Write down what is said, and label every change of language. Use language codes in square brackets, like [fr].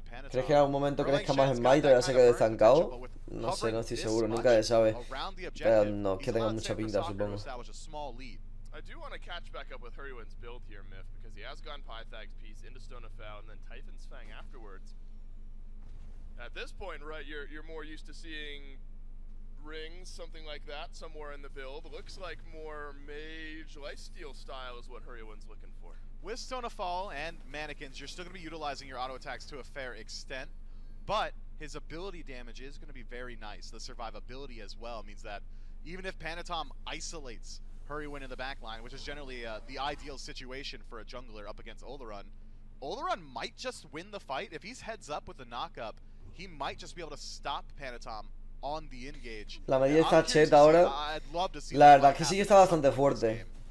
[es] ¿Crees que en algún momento crezca más en Might o ya se quede estancado? No sé, no estoy seguro, nunca se sabe. Pero no, es que tenga mucha pinta, supongo. [en] I do want to catch back up with Hurriwin's build here, Myth, because he has gone Pythag's piece into Stone of Fell and then Typhon's Fang afterwards. At this point, right, you're more used to seeing rings, something like that, somewhere in the build. Looks like more mage lifesteal style is what Hurriwin's looking for. With Stone of Fall and mannequins, you're still going to be utilizing your auto attacks to a fair extent, but his ability damage is going to be very nice. The survivability as well means that even if Panatom isolates Hurriwin in the back line, which is generally the ideal situation for a jungler up against Olderun, Olderun might just win the fight. If he's heads up with the knockup, he might just be able to stop Panatom on the engage. [es] La medida está cheta ahora. La verdad es que sí que está bastante fuerte.